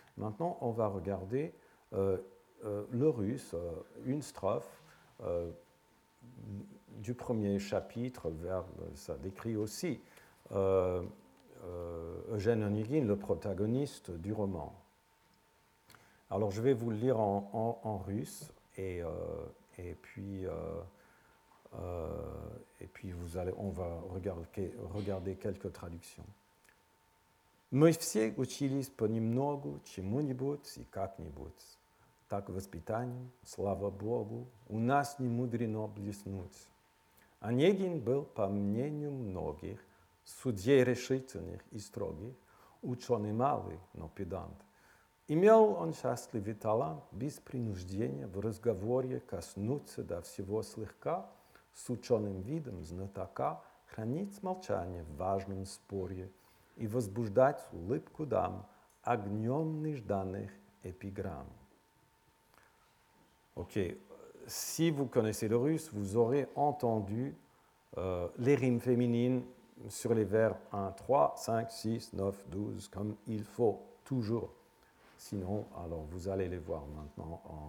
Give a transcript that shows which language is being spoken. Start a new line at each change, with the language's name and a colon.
French: Maintenant, on va regarder le russe, une strophe du premier chapitre, ça décrit aussi Eugène Onegin, le protagoniste du roman. Alors, je vais vous le lire en russe et puis on va regarder quelques traductions.
Russian: Мы все учились понемногу чему-нибудь и как-нибудь. Так воспитанием, слава Богу, у нас не мудрено блеснуть. Онегин был, по мнению многих, судей решительных и строгих, ученый малый, но педант. Имел он счастливый талант без принуждения в разговоре коснуться до всего слегка, с ученым видом знатока хранить молчание в важном споре и возбуждать улыбку дам огнем нежданных эпиграмм.
French: Ok, si vous connaissez le russe, vous aurez entendu les rimes féminines sur les verbes 1, 3, 5, 6, 9, 12, comme il faut toujours. Sinon, alors vous allez les voir maintenant.